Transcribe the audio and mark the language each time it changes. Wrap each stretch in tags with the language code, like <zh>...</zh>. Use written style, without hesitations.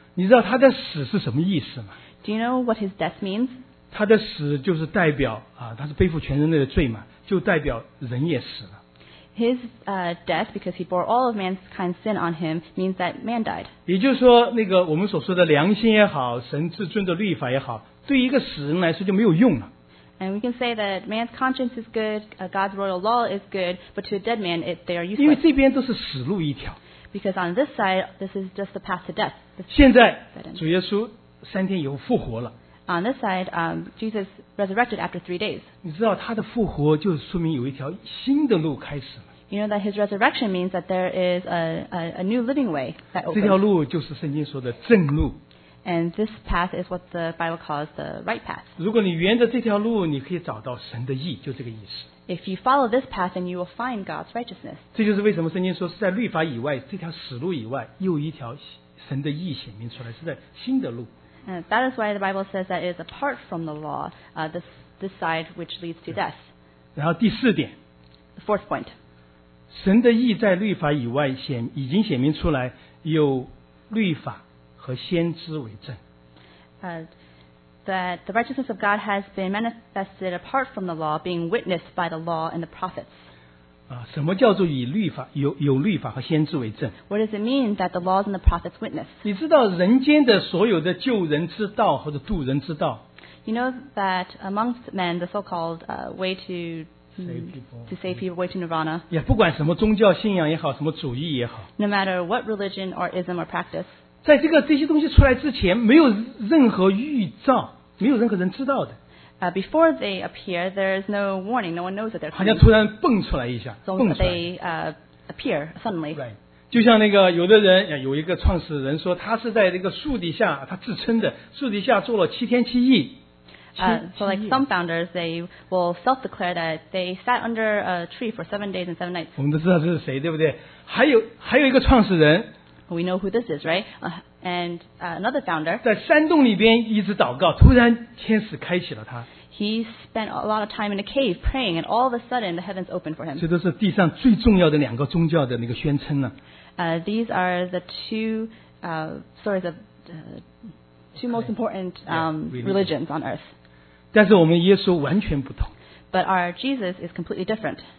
<zh>你知道他的死是什么意思吗？</zh> <en>Do you know what his death means?</en> <zh>他的死就是代表他是背负全人类的罪嘛，就代表人也死了。</zh> <en>His death, because he bore all of man's kind sin on him, means that man died.</en> <zh>也就是说，那个我们所说的良心也好，神至尊的律法也好，对于一个死人来说就没有用了。</zh> <en>And we can say that man's conscience is good, God's royal law is good, but to a dead man, they are useless.</en> <zh>因为这边都是死路一条。</zh> <en>Because on this side, this is just the path to death.</en> <zh>现在主耶稣三天以后复活了。</zh> <en>On this side, Jesus resurrected after 3 days.</en> <zh>你知道他的复活就说明有一条新的路开始了。</zh> <en>You know that his resurrection means that there is a new living way that opens.</en> <zh>这条路就是圣经说的正路。</zh> <en>And this path is what the Bible calls the right path.</en> <zh>如果你沿着这条路，你可以找到神的义，就这个意思。</zh> <en>If you follow this path, then you will find God's righteousness.</en> <zh>这就是为什么圣经说是在律法以外，这条死路以外，又一条神的义显明出来，是在新的路。</zh> <en>And that is why the Bible says that it is apart from the law, this side which leads to death.</en> <zh>然后第四点。</zh> <en>The fourth point.</en> <zh>神的义在律法以外已经显明出来，有律法和先知为证。</zh> <en>That the righteousness of God has been manifested apart from the law, being witnessed by the law and the prophets.</en> <zh>什么叫做以律法 有律法和先知为证？</zh> <en>What does it mean that the laws and the prophets witness?</en> <zh>你知道人间的所有的救人之道或者渡人之道，</zh> <en>You know that amongst men, the so-called way to save people, way to nirvana.</en> <zh>Yeah, 不管什么宗教信仰也好, 什么主义也好,</zh> <en>no matter what religion or ism or practice.</en> <zh>在这些东西出来之前, 没有任何预兆, 没有任何人知道的。</zh> <en>Before they appear, there is no warning. No one knows that they're coming.</en> <zh>好像突然蹦出来一下,</zh> <en>so they appear suddenly. Right.</en> <zh>就像那个有的人有一个创始人说他是在这个树底下他自称的树底下坐了七天七夜。</zh> <en>So like some founders, they will self-declare that they sat under a tree for 7 days and 7 nights.</en> <zh>我们都知道这是谁，对不对？还有一个创始人。</zh> <en>We know who this is, right? And another founder.</en> <zh>在山洞里边一直祷告，突然天使开启了他。</zh> <en>He spent a lot of time in a cave praying, and all of a sudden the heavens opened for him.</en> <zh>这都是地上最重要的两个宗教的那个宣称呢。</zh> <en>These are the two most important religions on earth.</en> <zh>但是我们耶稣完全不同。 But our Jesus is completely different.</zh>